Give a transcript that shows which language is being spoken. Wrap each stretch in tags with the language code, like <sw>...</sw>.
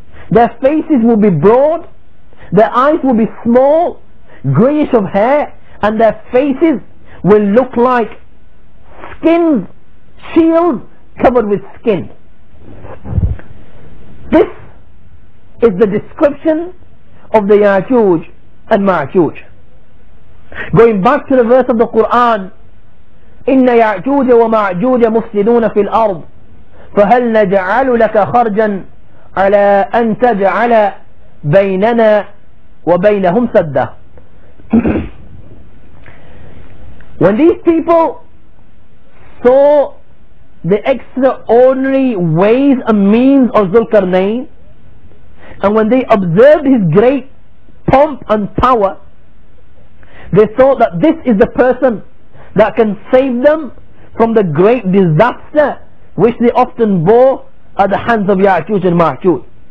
<en>Their faces will be broad, their eyes will be small, greyish of hair, and their faces will look like skin, shields covered with skin. This is the description of the Ya'juj and Ma'juj. Going back to the verse of the Quran,</en> <ar>إن يعجوج ومعجوج مفسدون في الأرض فهل نجعل لك خرجا على أن تجعل بيننا وبينهم سدا.</ar> <en>When these people saw the extraordinary ways and means of Dhulqarnain, and when they observed his great pomp and power, they thought that this is the person that can save them from the great disaster which they often bore at the hands of Ya'juj and Ma'juj.</en>